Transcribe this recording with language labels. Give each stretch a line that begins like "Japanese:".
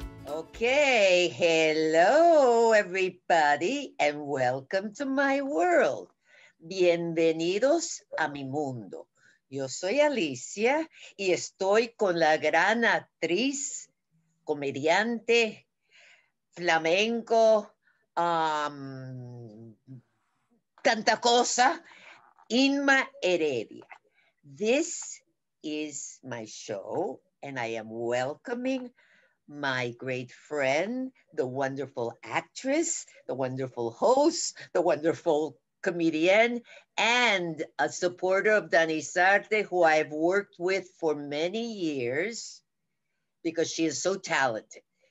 English: Okay, hello everybody and welcome to my world.
Spanish: Bienvenidos a mi mundo. Yo soy Alicia y estoy con la gran actriz, comediante, flamenco, tanta cosa, Inma Heredia.
English: This is my show and I am welcoming my great friend, the wonderful actress, the wonderful host, the wonderful comedian, and a supporter of Dani Sarte, who I've worked with for many years because she is so talented.